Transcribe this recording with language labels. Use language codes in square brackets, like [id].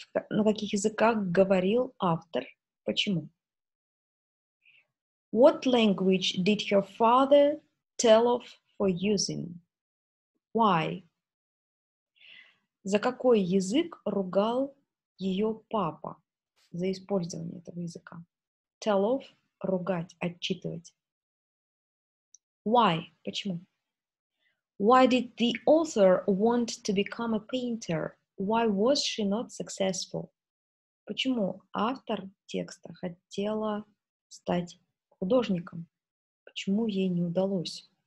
[ru] На каких языках говорил автор? Почему? [en] What language did her father tell of for using? Why? [ru] За какой язык ругал ее папа за использование этого языка? [en] Tell off, [ru] ругать, отчитывать. [en] Why? [ru] Почему? [en] Why did the author want to become a painter? Why was she not successful? [ru] Почему автор текста хотела стать художником? Почему ей не удалось?